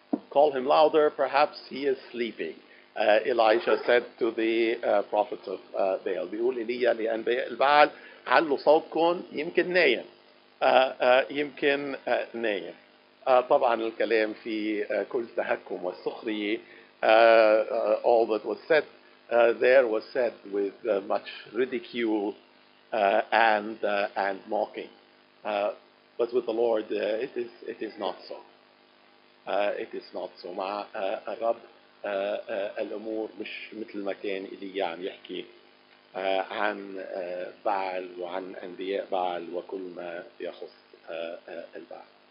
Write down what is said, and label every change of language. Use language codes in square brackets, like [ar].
[en] Call him louder, perhaps he is sleeping. Elijah said to the prophets of Baal. [ar] بيقول إليا لأنباء البعل علوا صوتكم يمكن نايم. يمكن نايم. طبعا الكلام في كل تهكم والسخرية. [en] All that was said there was said with much ridicule and mocking. But with the Lord, it is not so. It is not so. [ar] مع الرب الأمور مش مثل ما كان إليا عم يحكي عن بعل وعن أنبياء بعل وكل ما يخص البعل.